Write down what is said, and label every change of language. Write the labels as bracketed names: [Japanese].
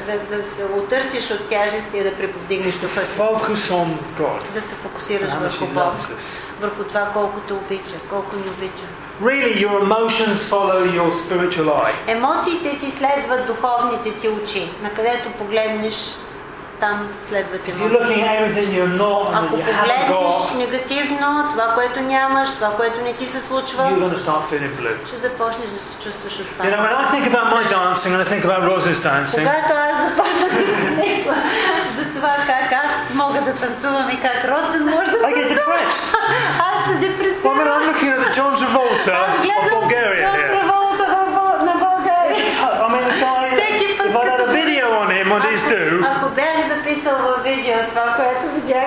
[Bulgarian] Да се отърсиш от тежести и да приповдигнеш духа си. [English] Focus on God. [Bulgarian] Да се фокусираш върху Бог. Върху това колко те обича, колко ни обича. [English] Really, your emotions follow your spiritual eye. [Bulgarian] Емоциите ти следват духовните ти очи. Накъдето погледнеш, там следват емоциите. Ако погледнеш негативно това, което нямаш, това, което не ти се случва, ще започнеш да се чувстваш отпаднал. Когато аз започна да се мисля за това, това как аз мога да танцувам и как Росен може да танцува. [English] I get depressed. [Bulgarian] Аз се депресирам. [English] Well, I'm looking at the John Travolta of Bulgaria. [Bulgarian] John Travolta на България. [English] I mean, if I had a video on him, what he's doing. [Bulgarian] Ако бях записал във видео това, което видях,